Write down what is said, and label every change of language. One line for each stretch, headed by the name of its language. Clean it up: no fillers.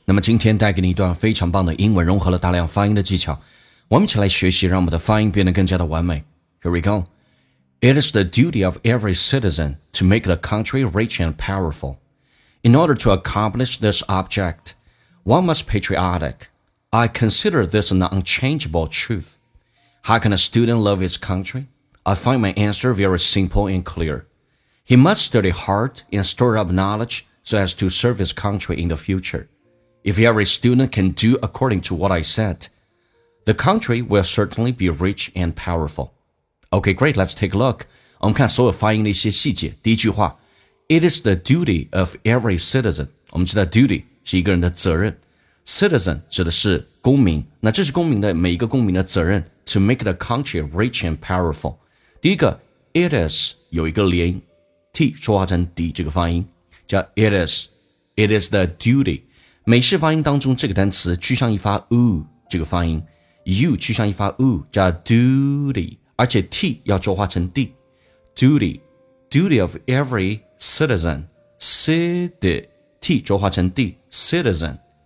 Chinese: 那么今天带给你一段非常棒的英文，融合了大量发音的技巧，我们一起来学习，让我们的发音变得更加的完美。
English: Here we go. It is the duty of every citizen to make the country rich and powerful. In order to accomplish this object, one must be patriotic. I consider this an unchangeable truth. How can a student love his country? I find my answer very simple and clear. He must study hard and store up knowledge so as to serve his country in the future. If every student can do according to what I said, the country will certainly be rich and powerful. Okay, great, let's take a look.
Chinese: 我们看所有发音的一些细节。第一句话
English: It is the duty of every citizen.
Chinese: 我们知道 duty 是一个人的责任。Citizen 指的是公民。那这是公民的每一个公民的责任
English: to make the country rich and powerful.
Chinese: 第一个 It is 有一个连音T 说话成 D 这个发音叫 It is
English: It is the duty
Chinese: 美式发音当中这个单词趋向一发 U 这个发音 U 趋向一发 U 叫 duty 而且 T 要说话成 D Duty Duty of every citizen City T 说话成 D Citizen